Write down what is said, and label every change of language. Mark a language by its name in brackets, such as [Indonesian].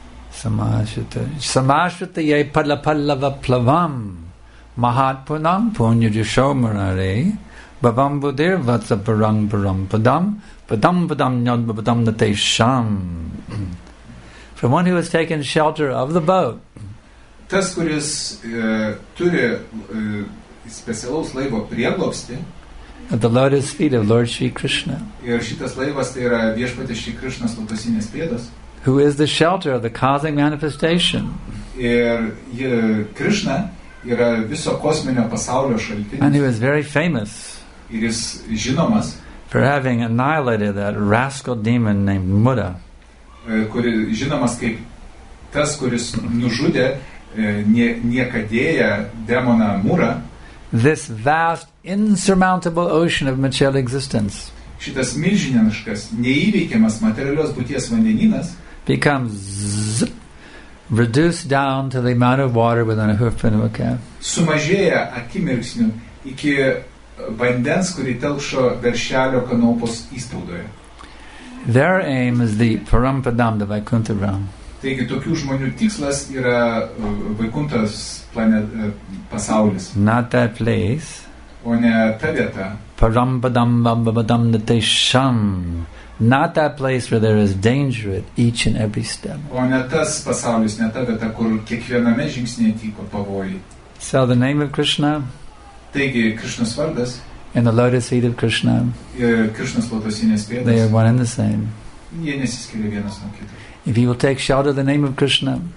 [Sanskrit] Samashrutaye palapallava plavam mahatpunam punyajushomarare bhavam buddhir vatsaparang param padam padam padam nyad bhavadam nate sham. [English] For one who has taken shelter of the boat, [Lithuanian] tas kuris turi specialaus laivo prieglobstį, [English] at the lotus feet of Lord Shri Krishna, [Lithuanian] ir šitas laivas tai yra viešpatė Shri Krishna's lotosinės pėdos, [English] who is the shelter of the cosmic manifestation, [Lithuanian] ir Krishna yra viso kosminio pasaulio šaltinis, [English] and he was very famous, [Lithuanian] ir jis žinomas, [English] for having annihilated that rascal demon named Muda, [Lithuanian] kuri žinomas kaip tas, kuris nužudė niekadėją demoną Mura. [English] This vast, insurmountable ocean of material existence, [Lithuanian] šitas milžiniškas, neįveikiamas materialios būties vandenynas, [English] becomes reduced down to the amount of water within a hoof and a calf. [Lithuanian] Sumažėja akimirksniu iki vandens, kurį telkšo veršelio kanopos įspaudoje. [English] Their aim is the Parampadam, the Vaikuntha realm. [Lithuanian] Taigi, tokių žmonių tikslas yra Vaikuntas pasaulis. [English] Not that place. [Lithuanian] O ne ta vieta. [Sanskrit] Parampadam vabadam natesham. [English] Not that place where there is danger at each and every step. [Lithuanian] O ne tas pasaulis, ne ta vieta, kur kiekviename žingsnėje tyko pavojai. [English] So the name of Krishna. [Lithuanian] Taigi, Krishnas vardas. [English] And the lotus feet of Krishna. [Lithuanian] Krishna's lotosinės pėdos. [English] They are one and the same. [Lithuanian] Jie nesiskiria vienas nuo kito. [English] If you will take shelter of the name of Krishna,